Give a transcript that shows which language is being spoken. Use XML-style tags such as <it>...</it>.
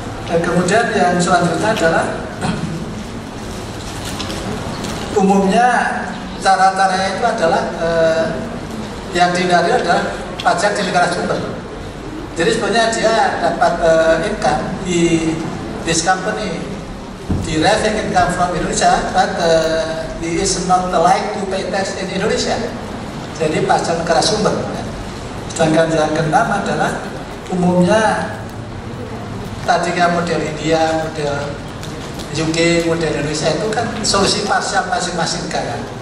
<id>Dan kemudian yang selanjutnya adalah umumnya cara-caranya itu adalah yang dihindari adalah pajak di negara sumber. Jadi sebenarnya dia dapat income di</id> <en>this company, deriving income from Indonesia, but he is not allowed to pay tax in Indonesia.</en> <id>Jadi pasca negara sumber. Sedangkan yang keenam adalah umumnya tadinya model India, model UK, model Indonesia itu kan solusi parsial masing-masing kan.</id>